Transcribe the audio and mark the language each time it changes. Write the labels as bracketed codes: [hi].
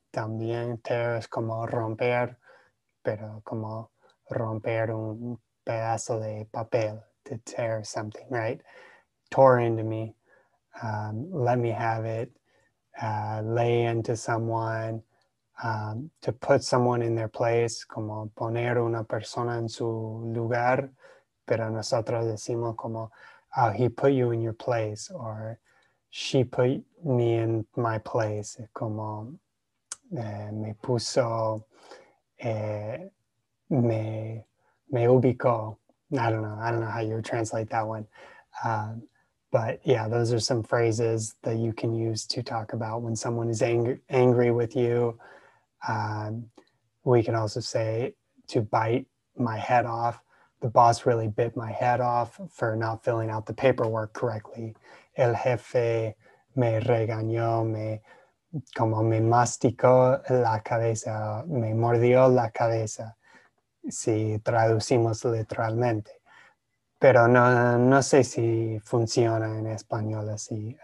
[es] También tear es como romper, pero como romper un pedazo de papel. [en] To tear something, right? Tore into me, let me have it, lay into someone, to put someone in their place, [es] como poner una persona en su lugar, pero nosotros decimos como, [en] "Oh, he put you in your place," or "She put me in my place," [es] como me puso, me ubicó. [en] I don't know how you would translate that one. But yeah, those are some phrases that you can use to talk about when someone is angry with you. We can also say to bite my head off. The boss really bit my head off for not filling out the paperwork correctly. [es] El jefe me regañó, como me masticó la cabeza, me mordió la cabeza. Si traducimos literalmente. Pero no sé si funciona en español así.